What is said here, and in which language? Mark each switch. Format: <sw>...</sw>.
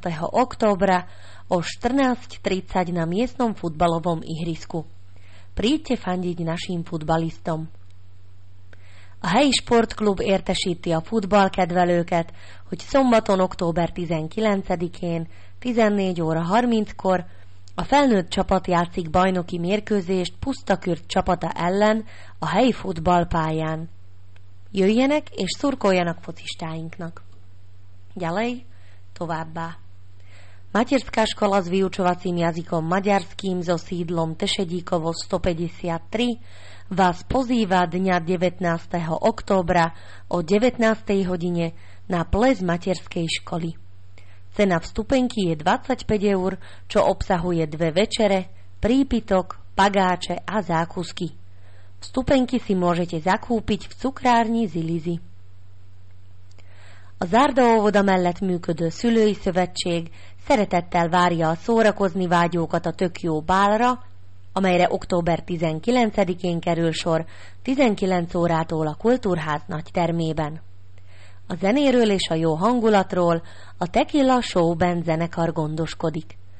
<sk>októbra o 14:30 na miestnom futbalovom ihrisku. Príďte fandiť našim futbalistom.</sk> <hu>Hej, športklub értesíti a futball kedvelőket, hogy szombaton október 19-én 14:30-kor a felnőtt csapat játszik bajnoki mérkőzést Pusztakürt csapata ellen a helyi futballpályán. Jöjjenek és szurkoljanak focistáinknak.</hu> <sk>Ďalej,</sk> <hu>továbbá.</hu> <sk>Materská škola s vyučovacím jazykom maďarským so sídlom Tešedíkovo 153 vás pozýva dňa 19. októbra o 19. hodine na ples materskej školy. Cena vstupenky je 25 eur, čo obsahuje dve večere, prípitok, bagáče a zákusky. Vstupenky si môžete zakúpiť v cukrárni Zilizi.</sk> <hu>A zárda óvoda mellett működő szülői szövetség szeretettel várja a szórakozni vágyókat a tök jó bálra, amelyre október 19-én kerül sor 19 órától a Kultúrház nagy termében. A zenéről és a jó hangulatról a Tequila Showben zenekar gondoskodik.</hu>